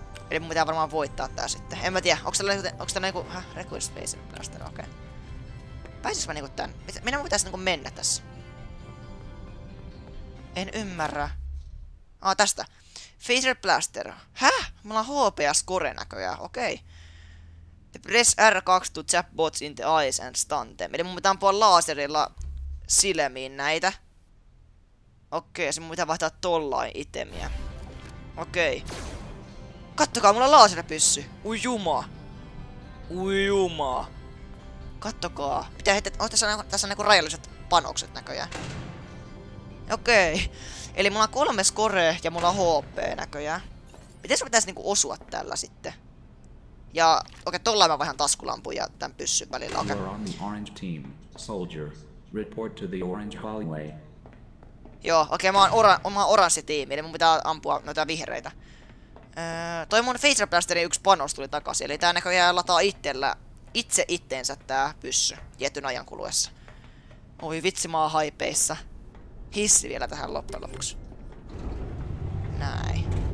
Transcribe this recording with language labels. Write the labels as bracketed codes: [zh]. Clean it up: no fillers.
[fi] Eli mun pitää varmaan voittaa tää sitten. En mä tiedä, onks tää niinku, Request Space Blaster, okei. Okay. Pääsis mä niinku tän? Minä mun pitäis niinku mennä tässä? En ymmärrä. Ah, tästä. Phaser Blaster. Häh? Mulla on HP-score näköjään, okei. Okay. [en] Press R2 to zap bots in the eyes and stun them. [fi] Eli mun pitää ampua laserilla silmiin näitä. Okei, okay, se mun pitää vaihtaa tollain itemiä. Okei. Okay. Kattokaa, mulla on laserpyssy. Ui jumaa. Ui jumaa. Kattokaa. Pitää heittää, oh, tässä on niinku rajalliset panokset näköjään. Okei. Okay. Eli mulla on 3 score ja mulla on HP näköjään. Miten se pitäisi niinku osua tällä sitten? Ja okei, tolla mä vaihan taskulampun ja tän pyssyn välillä. Okei. [en] You're on the orange team, soldier. Report to the orange hallway. [fi] Joo, okei, okay, mä oon oranssi tiimi, eli mun pitää ampua noita vihreitä. Toi mun Phaser Blasterin yksi panos tuli takaisin, eli tää näköjään lataa itteensä tää pyssy tietyn ajan kuluessa. Oi vitsi, mä oon haipeissa. Hissi vielä tähän loppujen lopuksi. Näin.